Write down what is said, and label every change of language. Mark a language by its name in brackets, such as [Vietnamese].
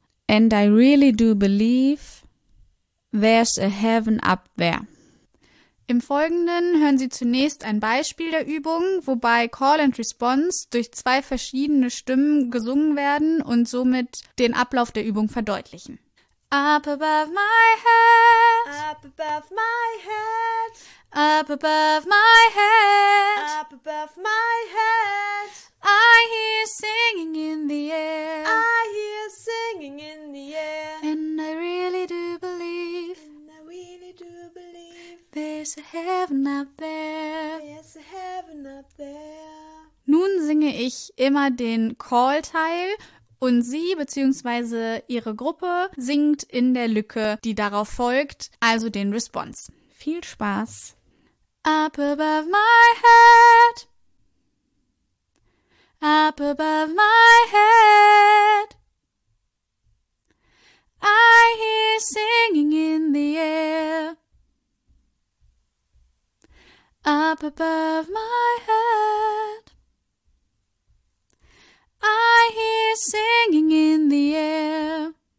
[English] And I really do believe there's a heaven up there." [German] Im Folgenden hören Sie zunächst ein Beispiel der Übung, wobei Call and Response durch zwei verschiedene Stimmen gesungen werden und somit den Ablauf der Übung verdeutlichen. [English] Up above my head, up above my head, up above my head, up above my head, I hear singing in the air, I hear singing in the air, and I really do believe, and I really do believe, there's a heaven up there, there's a heaven up there. [German] Nun singe ich immer den Call-Teil und Sie bzw. Ihre Gruppe singt in der Lücke, die darauf folgt, also den Response. Viel Spaß! [English] Up above my head, up above my head, I hear singing in the air, up above my head, I hear singing in the air,